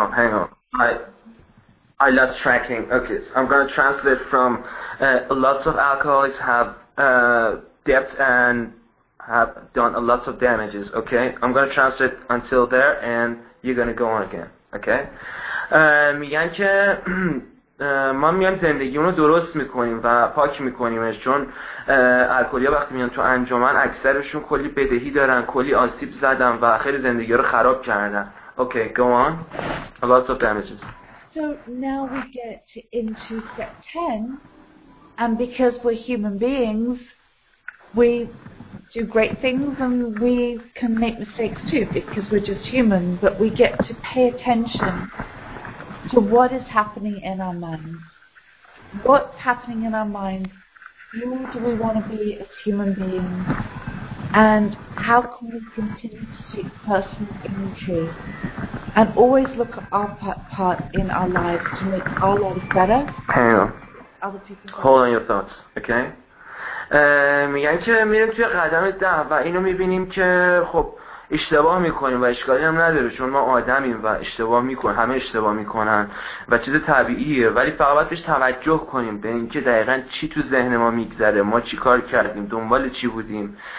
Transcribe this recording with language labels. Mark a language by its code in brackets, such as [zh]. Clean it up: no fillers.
[en] Hang on. I love tracking. Okay, so I'm going to translate from lots of alcoholics have debt and have done a lot of damages. Okay, I'm going to translate until there and you're going to go on again. Okay. [fa] میگن که ما میایم زندگیمون رو درست میکنیم و پاک میکنیمش، چون الکلی‌ها وقتی میان تو انجمن اکثرشون کلی بدهی دارن، کلی آسیب زدن و خیلی زندگی رو خراب کردن. [en] Okay, go on. A lot of damages. So now we get into step 10, and because we're human beings, we do great things and we can make mistakes too because we're just human, but we get to pay attention to what is happening in our minds. What's happening in our minds? Who do we want to be as human beings? And how can we continue to take personal inventory and always look at our part in our lives to make our lives better? Hang on. Other people. Hold on your thoughts, okay? [fa] میگن که میریم توی قدم ده و اینو میبینیم که خب اشتباه میکنیم و اشکالی هم نداره، چون ما آدمیم و اشتباه میکنیم، همه اشتباه میکنن و چیز طبیعیه، ولی فقط باید بهش توجه کنیم، به این که دقیقا چی تو ذهن ما میگذره، ما چی کار کردیم، دنبال چی بودیم.